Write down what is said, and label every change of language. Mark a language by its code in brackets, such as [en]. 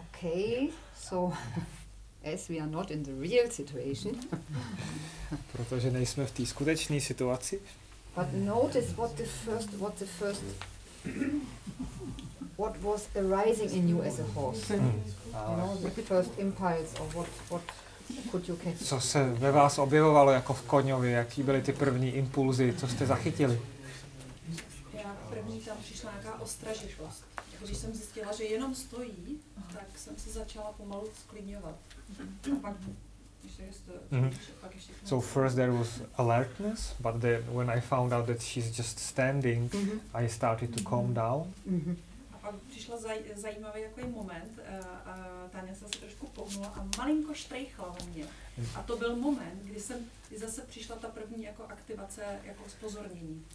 [en] Okay, so as we are not in the real situation. [cs] Protože nejsme v té skutečné situaci. [en] But notice what the first what was arising in you as a horse. You know, the first impulse of what could you catch? [cs] Co se ve vás objevovalo jako v koňovi, jaký byly ty první impulzy, co jste zachytili? První tam přišla nějaká ostražitost. Když jsem zjistila, že jenom stojí, tak jsem se začala pomalu sklidňovat. Mm-hmm. [en] So first there was alertness, but then when I found out that she's just standing, mm-hmm. I started to calm down. [cs] Mm-hmm. A pak přišla zajímavý takový moment, Tania se trošku pohnula a malinko štrejchla ve mně. A to byl moment, kdy zase přišla ta první jako aktivace jako zpozornění.